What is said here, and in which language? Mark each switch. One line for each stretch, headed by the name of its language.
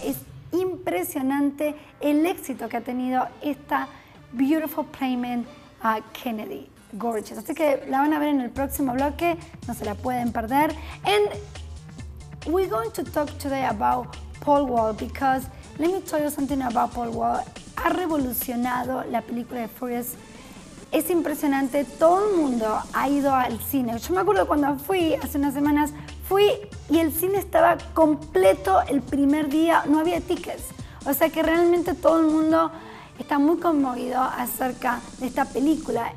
Spanish: Es impresionante el éxito que ha tenido esta
English: beautiful playmate,
Spanish: Kennedy.
English: Gorgeous.
Spanish: Así que la van a ver en el próximo bloque, no se la pueden perder.
English: And we're going to talk today about Paul Wall, because let me tell you something about Paul Wall.
Spanish: Ha revolucionado la película de Furious. Es impresionante, todo el mundo ha ido al cine. Yo me acuerdo cuando fui hace unas semanas, fui y el cine estaba completo el primer día, no había tickets. O sea que realmente todo el mundo está muy conmovido acerca de esta película.